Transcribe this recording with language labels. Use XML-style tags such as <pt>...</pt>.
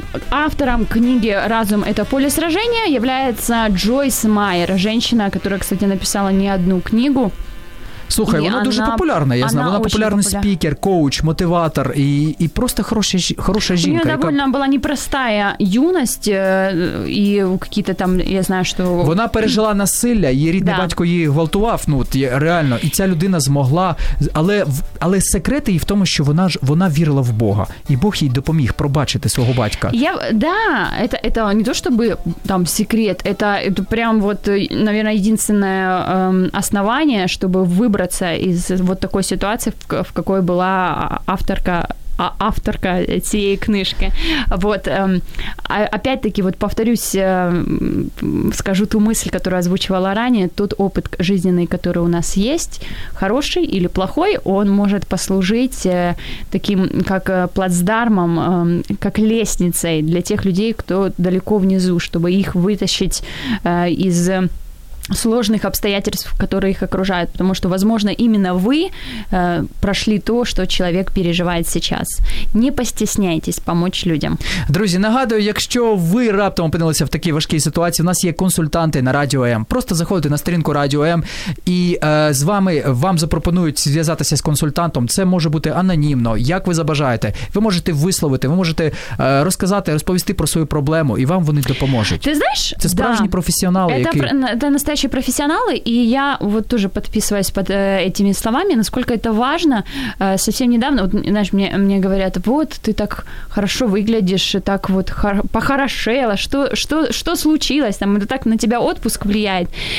<ru>Автором книги «Разум – это поле сражения» является Джойс Майер, женщина, которая, кстати, написала не одну книгу.</ru> <uk>Слухай, вона дуже популярна, я знаю. Вона популярний спікер, коуч, мотиватор і просто хороша жінка. У неї довольно була непроста юність і якісь там, я знаю, що... Вона пережила насилля, її рідний батько її гвалтував, ну, реально. І ця людина змогла... Але секрет її в тому, що вона вірила в Бога. І Бог їй допоміг пробачити свого батька. Да, це не то, щоб там секрет. Це прям,</uk> <ru>наверное, єдинственне основання, щоб ви выбраться из вот такой ситуации, в какой была авторка этой книжки. Вот. Опять-таки, вот повторюсь, скажу ту мысль, которую озвучивала ранее, тот опыт жизненный, который у нас есть, хороший или плохой, он может послужить таким, как плацдармом, как лестницей для тех людей, кто далеко внизу, чтобы их вытащить из сложных обстоятельств, которые их окружают, потому что, возможно, именно вы прошли то, что человек переживает сейчас. Не постесняйтесь помочь людям.</ru> <uk>Друзі, нагадую, якщо ви раптом опинилися в такій важкій ситуації, у нас є консультанти на Радіо М. Просто заходите на сторінку Радіо М і з вами вам запропонують зв'язатися з консультантом. Це може бути анонімно, як ви забажаєте. Ви можете висловити, ви можете розказати, розповісти про свою проблему, і вам вони допоможуть. Ти знаєш? Це справжні професіонали, які...</uk> <ru>Настоящие профессионалы, и я вот тоже подписываюсь под этими словами, насколько это важно. Совсем недавно, вот, знаешь, мне говорят, вот, ты так хорошо выглядишь, так вот похорошела, что случилось, там, это так на тебя отпуск влияет.</ru>